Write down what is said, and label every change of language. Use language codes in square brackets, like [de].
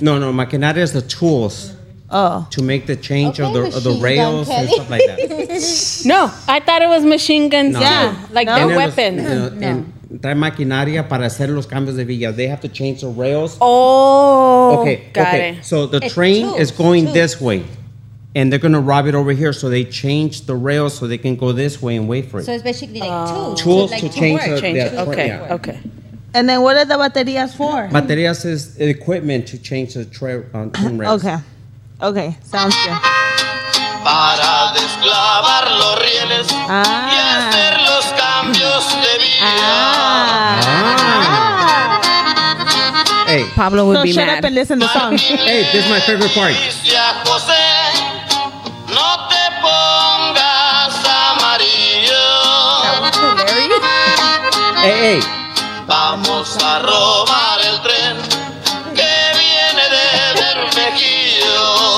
[en] No, maquinaria is the tools to make the change of the rails and stuff like that. No, I thought it was machine guns. They're weapons. [es] Trae maquinaria para hacer los cambios de vías. [en] They have to change the rails. Okay. So the train is going this way, and they're going to rob it over here, so they change the rails so they can go this way and wait for it. So it's basically like tools. Okay. And then what are the baterías for? Baterías is equipment to change the train rails. Okay, sounds good. [es] Para desclavar los rieles y hacer los cambios de vía. [en] Hey, Pablo would be mad. Shut up and listen to the song. Hey, this is my favorite part. [es] A robar el tren que viene de Bermejillo.